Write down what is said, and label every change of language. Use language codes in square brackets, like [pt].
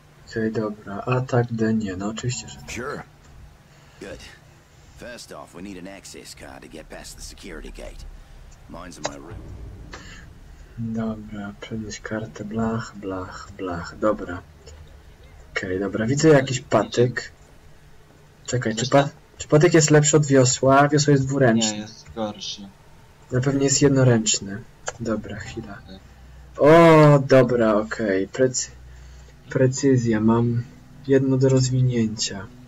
[pl] Okej, dobra, a tak denie, no oczywiście, że tak. [en] First off, we need an access card to get past the security gate. Mine's in my room. [pl] Dobra, przenieść kartę, blach, blach, blach, dobra. Okej, dobra, widzę jakiś patyk. Czekaj, czy patyk jest lepszy od wiosła? Wiosło jest dwuręczne. Nie, jest gorszy. Na pewno jest jednoręczny. Dobra, chwila. O, dobra, okej, precyzja, mam jedno do rozwinięcia.